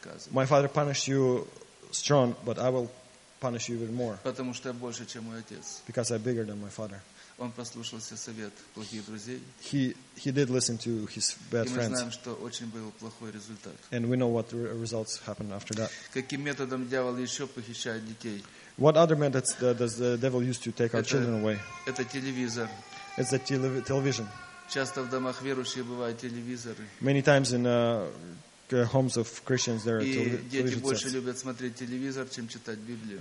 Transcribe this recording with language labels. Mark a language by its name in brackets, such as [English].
[English] My father punished you strong, but I will punish you even more. Because I'm bigger than my father. [Russian] Он послушался совет плохих друзей. [English] He did listen to his bad friends. [Russian] И мы знаем, что очень был плохой результат. [English] And we know what results happened after that. [Russian] Каким методом дьявол еще похищает детей? [English] What other methods does the devil use to take our children away? [Russian] Это телевизор. [English] It's the television. [Russian] Часто в домах верующих бывают телевизоры. [English] Many times in homes of Christians there are television sets. [Russian] И дети больше любят смотреть телевизор, чем читать Библию.